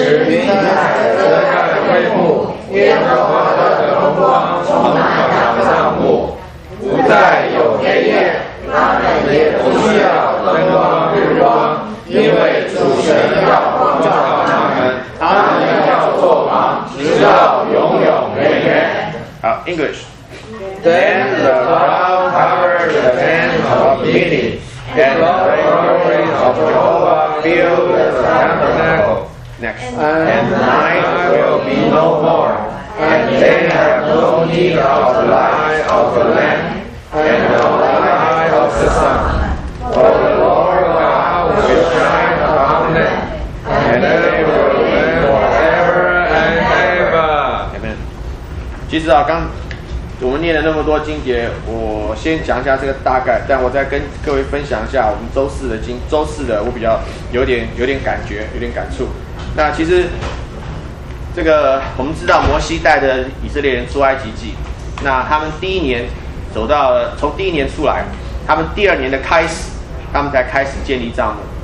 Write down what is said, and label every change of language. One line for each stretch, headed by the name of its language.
Chinese: 云彩遮盖会幕，耶和华的荣光充满了帐幕，不再有黑夜，他们也不需要灯光日光，因为主神要光照。好 English.
English: Then the cloud covered the tent of meeting, and the glory of Jehovah filled the tabernacle. Next. And night will be no more, and they have no need of the light of the lamp, and no light of the sun. For the Lord God will shine upon them, and they will.
Chinese: 其实啊，刚我们念了那么多经节，我先讲一下这个大概，但我再跟各位分享一下我们周四的，我比较有点感觉，有点感触。那其实这个我们知道，摩西带着以色列人出埃及记，那他们第一年走到从第一年出来，他们第二年的开始，他们才开始建立帐幕。